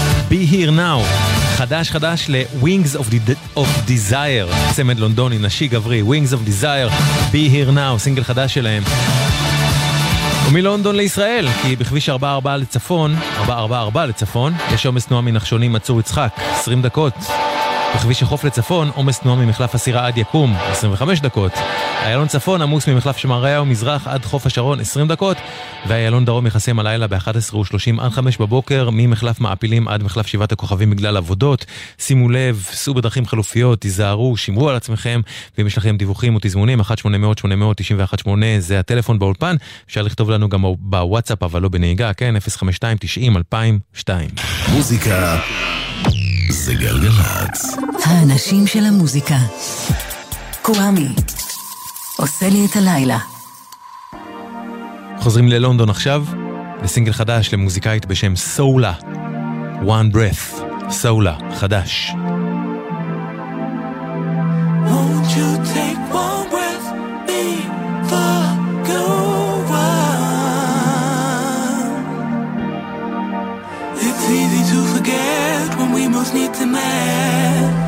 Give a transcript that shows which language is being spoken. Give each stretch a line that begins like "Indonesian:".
Hebrew: Be Here Now, חדש חדש ל-Wings of, of Desire, צמד לונדוני, נשי גברי, Wings of Desire, Be Here Now, סינגל חדש שלהם. ומלונדון לישראל, כי בכביש 44 לצפון, 444 לצפון, יש עומס תנועה מנחשונים עצור יצחק, 20 דקות. בכביש החוף לצפון, עומס תנועה ממחלף הסירה עד יקום, 25 דקות. איילון צפון, עמוס ממחלף שמריה ומזרח עד חוף השרון, 20 דקות. ואיילון דרום יחסם הלילה ב-11:30 עד 5 בבוקר, ממחלף מעפילים עד מחלף שבעת הכוכבים בגלל עבודות. שימו לב, סעו בדרכים חלופיות, תיזהרו, שימרו על עצמכם, ואם יש לכם דיווחים ותזמונים, 1-800-891-8, זה הטלפון באולפן, אפשר לכתוב לנו גם בוואטסאפ, אבל לא בנהיגה, כן? 052-90-2002. מוזיקה זה גלגלץ. האנשים של המוזיקה. קוואמי עושה לי את הלילה. חוזרים ללונדון עכשיו לסינגל חדש למוזיקאית בשם סולה. One Breath. סולה חדש.
English: Won't you take one breath before go on? It's easy to forget when we most need to mend.